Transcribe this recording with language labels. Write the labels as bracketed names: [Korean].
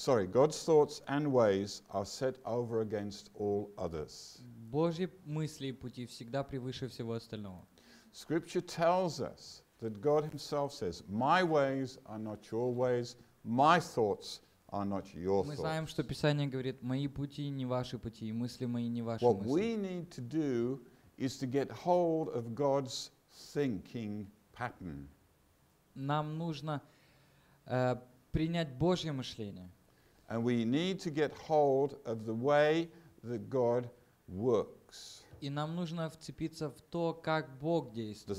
[English] God's thoughts and ways are set over against all others. [Russian] Божьи мысли и пути всегда превыше всего остального. [English] Scripture tells us that God himself says, my ways are not your ways, my thoughts are not your thoughts. [Russian] Мы знаем, что Писание говорит, мои пути не ваши пути, и мысли мои не ваши мысли. [English] What we need to do is to get hold of God's thinking pattern. [Russian] Нам нужно принять Божье мышление. [English] And we need to get hold of the way that God works. [Russian] И нам нужно вцепиться в то, как Бог действует.